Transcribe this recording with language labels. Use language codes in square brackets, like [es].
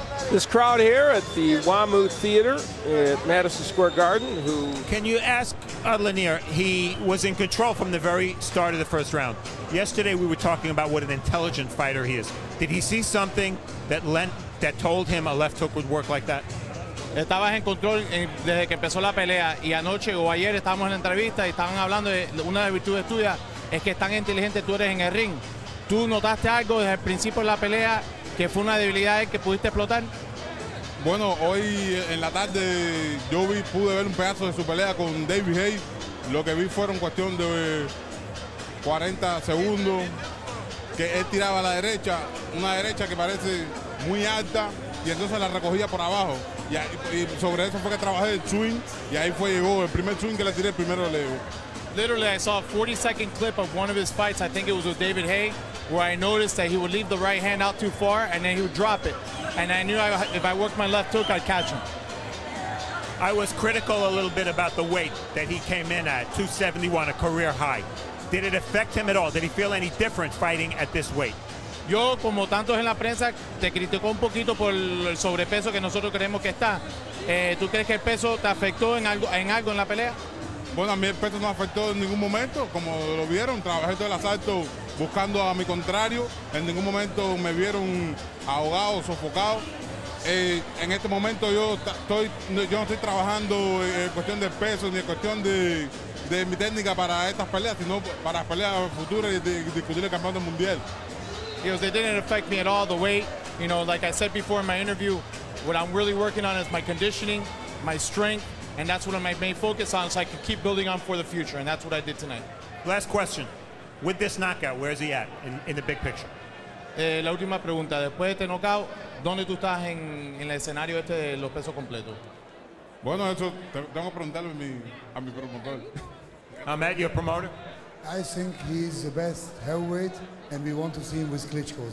[en] This crowd here at the WAMU Theater at Madison Square Garden, who... Can you ask Odlanier, he was in control from the very start of the first round. Yesterday we were talking about what an intelligent fighter he is. Did he see something that lent that told him a left hook would work like that? [es] Estaba en control desde que empezó la pelea y anoche o ayer estábamos en la entrevista y estaban hablando de una de las virtudes tuyas es que tan inteligente tú eres en el ring. ¿Tú notaste algo desde el principio de la pelea que fue una debilidad que pudiste explotar? Bueno, hoy en la tarde yo vi pude ver un pedazo de su pelea con David Hayes. Lo que vi fueron cuestión de 40 segundos que él tiraba a la derecha, una derecha que parece muy alta y entonces la recogía por abajo. Y sobre eso fue que trabajé el swing y ahí fue llegó el primer swing que le tiré, el primero le dio. [en] Literally, I saw a 40-second clip of one of his fights, I think it was with David Hay, where I noticed that he would leave the right hand out too far and then he would drop it. And I knew if I worked my left hook, I'd catch him. I was critical a little bit about the weight that he came in at, 271, a career high. Did it affect him at all? Did he feel any different fighting at this weight? [es] Yo, como tantos en la prensa, te critico un poquito por el sobrepeso que nosotros creemos que está. ¿Tú crees que el peso te afectó en algo en la pelea? Bueno, a mí el peso no afectó en ningún momento. Como lo vieron, trabajé todo el asalto buscando a mi contrario. En ningún momento me vieron ahogado, sofocado. En este momento yo no estoy trabajando en cuestión de peso ni en cuestión de mi técnica para estas peleas, sino para peleas futuras y discutir el campeonato mundial. [en] It didn't affect me at all, the weight. You know, like I said before in my interview, what I'm really working on is my conditioning, my strength, and that's what I'm my main focus on, so I can keep building on for the future, and that's what I did tonight. Last question. With this knockout, where is he at in the big picture? [es] La última pregunta. Después de este knockout, ¿dónde tú estás en el escenario este de los pesos completos? Bueno, eso tengo que preguntarle a mi promotor. [en] I'm at your promoter. I think he's the best heavyweight, and we want to see him with Klitschko.